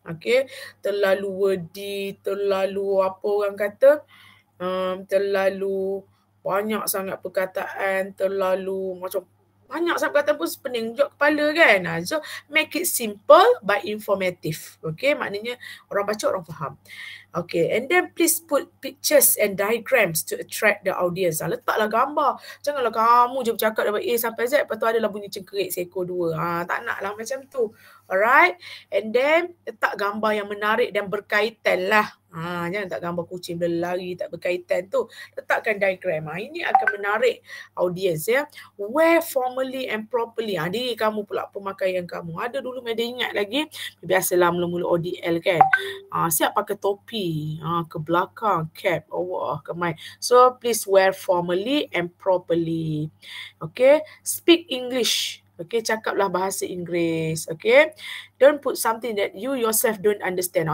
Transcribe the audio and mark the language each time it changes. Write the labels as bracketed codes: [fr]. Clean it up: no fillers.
[ms] Okay, terlalu wordy, terlalu apa orang kata, terlalu banyak sangat perkataan, terlalu macam banyak sangat perkataan pun pening juga kepala kan. [en] So make it simple but informative. Okay, [ms] maknanya orang baca orang faham. [en] Okay, and then please put pictures and diagrams to attract the audience. [ms] Letaklah gambar. Janganlah kamu je bercakap dari A sampai Z, lepas tu adalah bunyi cengkerik seekor dua. Tak naklah macam tu. Alright, and then letak gambar yang menarik dan berkaitan lah. Jangan letak gambar kucing bila lari tak berkaitan tu. Letakkan diagram. Ini akan menarik audience ya. [en] Where formally and properly. [ms] Diri kamu pula pemakaian kamu. Ada dulu media ingat lagi. Biasalah mula-mula ODL kan. Siap pakai topi. Ke belakang. Cap. Oh, wah, kemai. [en] So please wear formally and properly. Okay. Speak English. [ms] Okay, cakaplah bahasa Inggeris. [en] Okay, don't put something that you yourself don't understand.